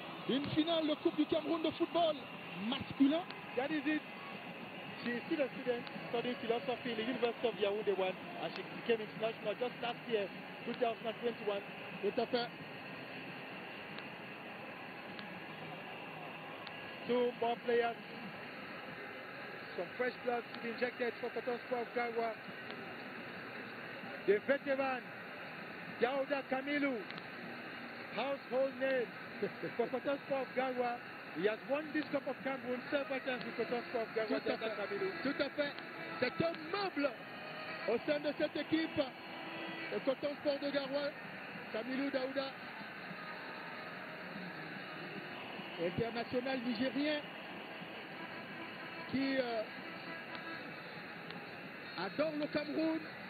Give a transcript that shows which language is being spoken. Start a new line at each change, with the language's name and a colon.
French: Une finale de Coupe du Cameroun de football masculin.
English: That is it. She is still a student studying philosophy in the University of Yaoundé 1, and she became international just last year, 2021.
French: Tout à fait.
English: Two more players. Some fresh blood to be injected for Coton Sport of Garoua. The veteran, Daouda Kamilou, household name for Coton Sport of Garoua. He has won this Cup of Cameroun several times with Coton Sport of Garoua.
French: Tout à fait. C'est un meuble au sein de cette équipe. Le Coton Sport de Garoua, Kamilou Daouda. International nigérien qui adore le Cameroun.